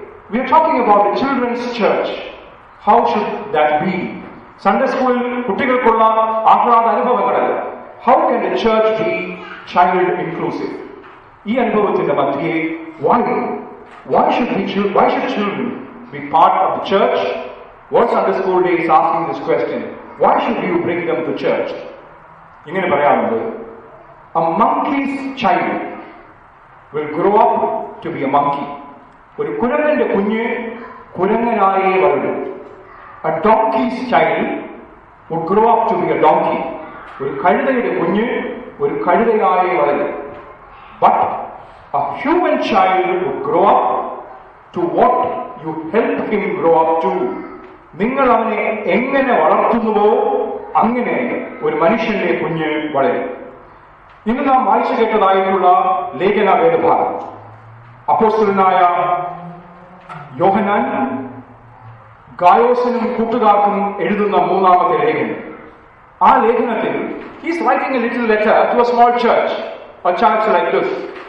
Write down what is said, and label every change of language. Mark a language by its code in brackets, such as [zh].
[en] We are talking about children's church. How should that be? [ml] Sunday സ്കൂളിൽ കുട്ടികൾക്കുള്ള ആഹ്ലാദ അനുഭവങ്ങളല്ല. [en] How can a church be child inclusive? [ml] ഈ അനുഭവത്തിന്റെ മധ്യയെ വായി [en] Why should children be part of the church? What Sunday school day is asking this question? Why should you bring them to church? [ml] ഇങ്ങനെ പറയാറുണ്ട്, [en] a monkey's child will grow up to be a monkey. [ml] ഒരു കുരങ്ങന്റെ കുഞ്ഞ് കുരങ്ങനായേ വളരും. [en] A donkey's child will grow up to be a donkey. [ml] ഒരു കഴുതയുടെ കുഞ്ഞ് ഒരു കഴുതയായേ വളരും. [en] But a human child will grow up to what you help him grow up to. [ml] നിങ്ങൾ അവനെ എങ്ങനെ വളർത്തുന്നുവോ അങ്ങനെ ഒരു മനുഷ്യന്റെ കുഞ്ഞ് വളരും. ഇന്ന് നാം വായിച്ചു കേട്ടതായിട്ടുള്ള ലേഖന വേദഭാഗം, അപ്പോസ്തലനായ യോഹന്നാൻ ഗായോസിനും കൂട്ടുകാർക്കും എഴുതുന്ന മൂന്നാമത്തെ ലേഖനം, ആ ലേഖനത്തിൽ [en] He's writing a little letter to a small church, a church like this.